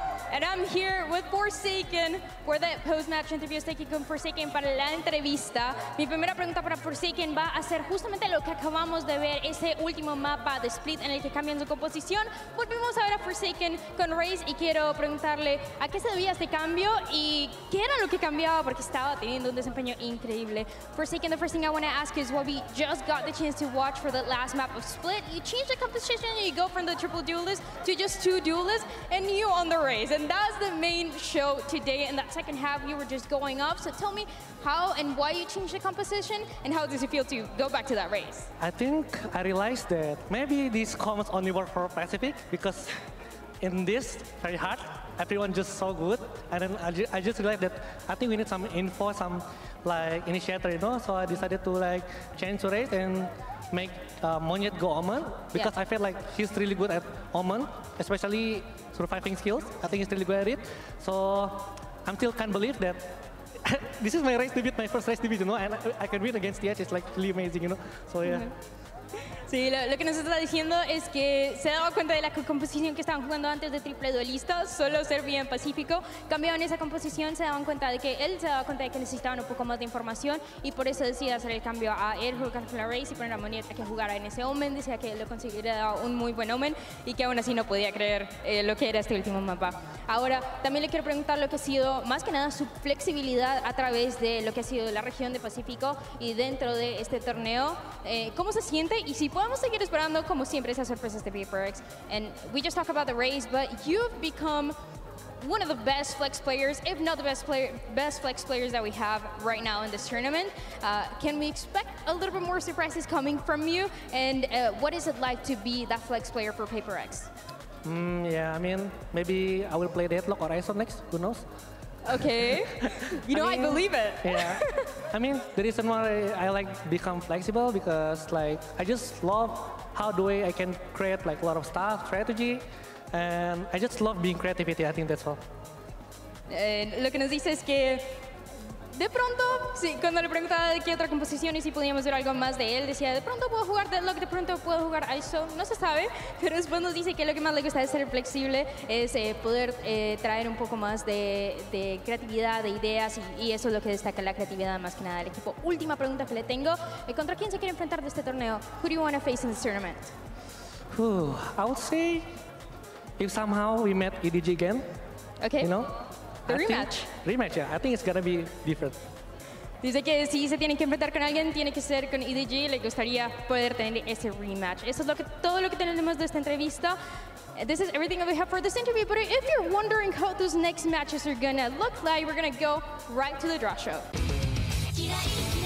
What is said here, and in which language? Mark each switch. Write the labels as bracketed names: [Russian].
[English] And I'm here with Forsaken for the post-match interview. Thank you for Forsaken [Spanish] para la entrevista. Mi primera pregunta para Forsaken va a ser justamente lo que acabamos de ver, ese último mapa de Split en el que cambian su composición. Volvimos a ver a Forsaken con Raze y quiero preguntarle a qué se debía este cambio y qué era lo que cambiaba porque estaba teniendo un desempeño increíble. [English] Forsaken, the first thing I want to ask is what we just got the chance to watch for the last map of Split. You change the composition and you go from the triple duelist to just two duelists and you on the Raze. And that's the main show today. In that second half, you were just going off. So tell me how and why you changed the composition and how does it feel to go back to that Raze? I think I realized that maybe these comments only work for Pacific because in this very hard, everyone just so good. And then I just realized that I think we need some info, some like initiator, you know? So I decided to like change to Raze and make Monyet go Omen because yeah. I feel like he's really good at Omen, especially surviving skills. I think he's really good at it. So I'm still can't believe that this is my race debut, my first race debut, you know, and I can win against TH. It's like really amazing, you know. So yeah. [Spanish] Sí, lo que nos está diciendo es que se daba cuenta de la composición que estaban jugando antes de triple duelista, solo servía en Pacífico. Cambiaron esa composición, se daban cuenta de que él se daba cuenta de que necesitaban un poco más de información y por eso decidió hacer el cambio a él, jugar con la Raze y poner a Monieta que jugara en ese Omen. Decía que lo consideraba un muy buen Omen y que aún así no podía creer lo que era este último mapa. Ahora, también le quiero preguntar lo que ha sido más que nada su flexibilidad a través de lo que ha sido la región de Pacífico y dentro de este torneo. ¿Cómo se siente? Y si podemos seguir esperando, como siempre, esas sorpresas de PaperX. [English] And we just talked about the Raze, but you've become one of the best flex players, if not the best flex players that we have right now in this tournament. Can we expect a little bit more surprises coming from you? And what is it like to be that flex player for PaperX? Yeah, I mean, maybe I will play Deadlock or Aeson next, who knows? Okay, you know, I believe it. Yeah, I mean, the reason why I like become flexible because like, I just love how the way I can create like a lot of stuff, strategy, and I just love being creativity, I think that's all. [Spanish] Lo que nos dice es que de pronto, sí, cuando le preguntaba de qué otra composición y si podíamos ver algo más de él, decía, de pronto puedo jugar Deadlock, de pronto puedo jugar ISO, no se sabe, pero después nos dice que lo que más le gusta es ser flexible, es poder traer un poco más de creatividad, de ideas, y eso es lo que destaca la creatividad más que nada del equipo. Última pregunta que le tengo, ¿contra quién se quiere enfrentar de este torneo? [English] Who do you want to face in this tournament? I would say, if somehow we met EDG again, okay. You know? The rematch. Rematch, yeah. I think it's gonna be different. [Spanish] Dice que si se tiene que enfrentar con alguien, tiene que ser con EDG. Le gustaría poder tener ese rematch. Eso es lo que todo lo que tenemos de esta entrevista. [English] This is everything that we have for this interview. But if you're wondering how those next matches are gonna look like, we're gonna go right to the draw show.